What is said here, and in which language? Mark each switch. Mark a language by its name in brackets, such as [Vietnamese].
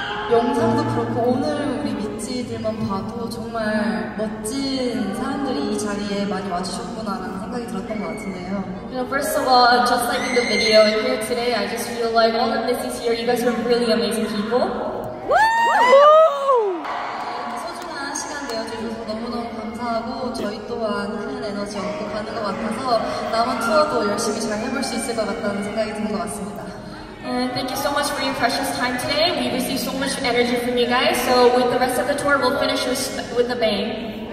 [Korean] 영상도 그렇고 오늘 우리 미찌들만 봐도 정말 멋진 사람들이 이 자리에 많이 와주셨구나라는 생각이 들었던 것 같은데요. [English] You know, first of all, just like in the video and here today, I just feel like all the MIDZY's here, you guys are really amazing people. Woo! [Korean] 소중한 시간 내어주셔서 너무너무 감사하고 저희 또한 큰 에너지 얻고 가는 것 같아서 남은 투어도 열심히 잘 해볼 수 있을 것 같다는 생각이 드는 것 같습니다. [English] And thank you so much for your precious time today. We received so much energy from you guys. So with the rest of the tour, we'll finish with a bang.